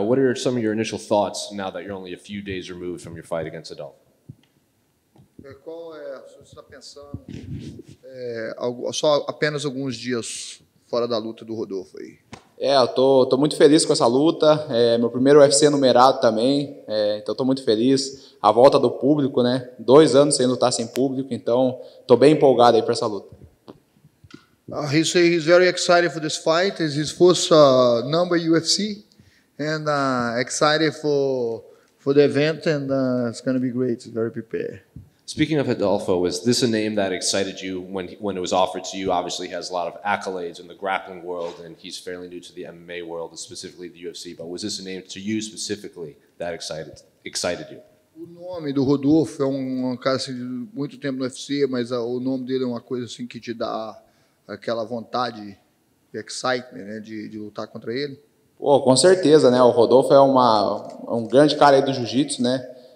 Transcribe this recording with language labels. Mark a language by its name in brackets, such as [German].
[English] What are some of your initial thoughts now that you're only a few days removed from your fight against Adolfo? [Portuguese] Qual é, se você está pensando, só apenas alguns dias fora da luta do Rodolfo aí? Eu tô muito feliz com essa luta, meu primeiro UFC numerado também, então estou muito feliz. A volta do público, né? 2 anos sem lutar sem público, então estou bem empolgado aí para essa luta. [English] He says he's very excited for this fight. It's his first number UFC, and excited for the event, and it's going to be great. Very prepared. Speaking of Adolfo, was this a name that excited you when it was offered to you? Obviously, he has a lot of accolades in the grappling world, and he's fairly new to the MMA world, specifically the UFC. But was this a name to you specifically that excited you? [Portuguese] O nome do Rodolfo é cara assim, muito tempo no UFC, mas o nome dele é uma coisa assim que te dá aquela vontade, de excitement, né, de lutar contra ele? Pô, com certeza, né? O Rodolfo é um grande cara aí do jiu-jitsu, né?